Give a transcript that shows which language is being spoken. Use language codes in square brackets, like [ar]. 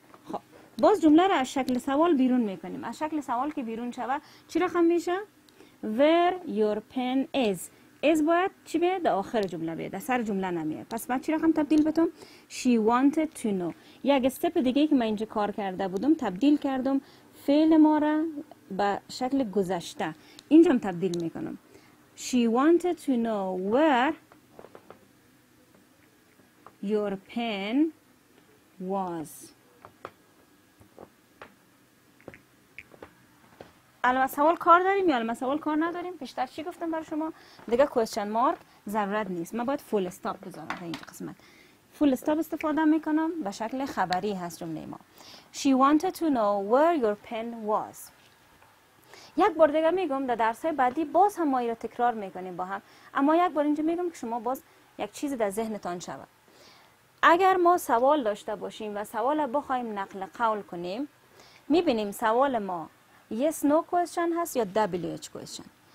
[fa] خب باز جمله را از شکل سوال بیرون میکنیم. از شکل سوال که بیرون شوه چی رقم میشه؟ [en] Where your pen is. [fa] Is باید چی بیه؟ در آخر جمله بیه، در سر جمله نمیه. پس من چی رقم تبدیل بتوم؟ [en] She wanted to know. [fa] یک استپ دیگه که من اینجا کار کرده بودم، تبدیل کردم فعل ما را به شکل گذشته. اینجا هم تبدیل میکنم. [en] She wanted to know where your pen was. [fa] علامه سوال کار داریم یا علامه سوال کار نداریم؟ پیشتر چی گفتم برای شما؟ دیگه question mark ضرورت نیست. من باید full stop بذارم در اینجا قسمت. Full stop استفاده میکنم به شکل خبری هست جمله ما. [en] She wanted to know where your pen was. [fa] یک بار دیگه میگم در درسای بعدی باز هم ما این را تکرار میکنیم با هم. اما یک بار اینجا میگم که شما باز یک چیز در ذهنتان شود. اگر ما سوال داشته باشیم و سوال بخوایم نقل قول کنیم، میبینیم سوال ما yes no question هست یا wh question.